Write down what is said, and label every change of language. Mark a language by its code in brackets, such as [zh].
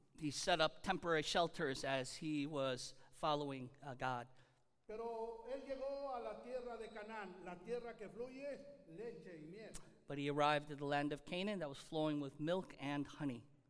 [en] He set up temporary shelters as he was following God. [es] Pero él llegó a la tierra de Canaán, la tierra que fluye leche y miel. [en] But he arrived at the land of Canaan that was flowing with milk and honey.